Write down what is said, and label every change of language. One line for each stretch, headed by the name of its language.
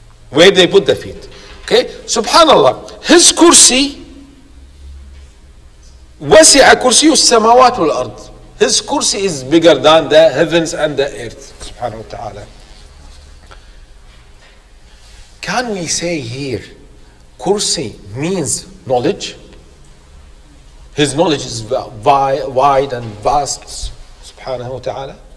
English: Where they put the feet. Okay, subhanAllah, his kursi
Arabic: وسع كرسي السماوات والأرض.
English: His كرسي is bigger than the heavens and the earth.
Arabic: سبحانه وتعالى.
English: Can we say here كرسي means knowledge? His knowledge is wide and vast.
Arabic: سبحانه وتعالى.